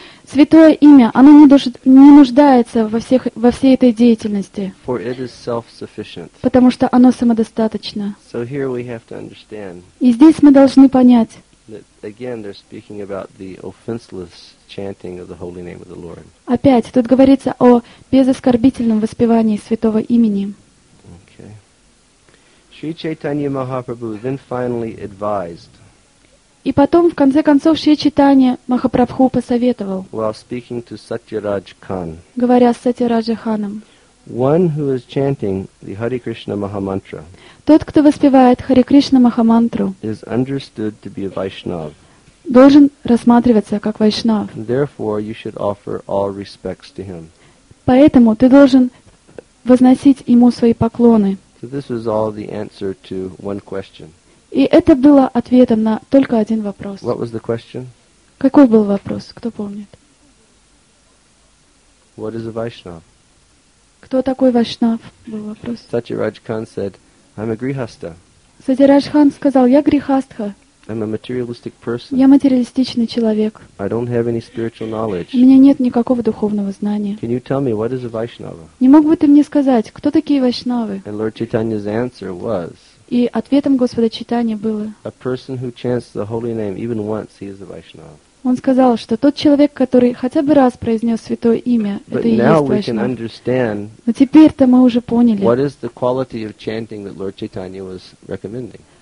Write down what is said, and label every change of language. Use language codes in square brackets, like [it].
[ru] Святое имя, оно не нуждается во всей этой деятельности. [en] For it is self-sufficient. [ru] Потому что оно самодостаточно. [en] So here we have to understand. [ru] И здесь мы должны понять. [en] That, again, they're speaking about the offenseless chanting of the holy name of the Lord. [ru] Опять тут говорится о безоскорбительном воспевании святого имени. [en] Okay. Sri Chaitanya Mahaprabhu then finally advised. [ru] И потом в конце концов Шри Чайтанья Махапрабху посоветовал. [en] While speaking to Satyaraj Khan. [ru] Говоря с Сатьяраджа Ханом. [en] One who is chanting the Hare Krishna Mahamantra. [ru] Тот, кто воспевает Хари Кришна Махамантру, [en] is understood to be a Vaishnav. [ru] Должен рассматриваться как Вайшнав. [en] Therefore, you should offer all respects to him. [ru] Поэтому ты должен возносить ему свои поклоны. [en] So this was all the answer to one question. [ru] И это было ответом на только один вопрос. [en] What was the question? [ru] Какой был вопрос? Кто помнит? [en] What is a Vaishnav? [ru] Кто такой Вайшнав? Был вопрос. [en] Satyaraj Khan said, I'm a Grihastha. [ru] Сатьяраджа Хан сказал, я Грихастха. [en] I'm a materialistic person. [ru] Я материалистичный человек. [en] I don't have any spiritual knowledge. [ru] У меня нет никакого духовного знания. [en] Can you tell me what is a Vaishnava? [ru] Не мог бы ты мне сказать, кто такие Вайшнавы? [en] And Lord Chaitanya's answer was. [ru] И ответом Господа Чайтаньи было. [en] A person who chants the holy name even once, he is a Vaishnava. [ru] Он сказал, что тот человек, который хотя бы раз произнес святое имя, это и есть Вайшнав. Но теперь-то мы уже поняли. [en] What is the quality of chanting that Lord Chaitanya was recommending?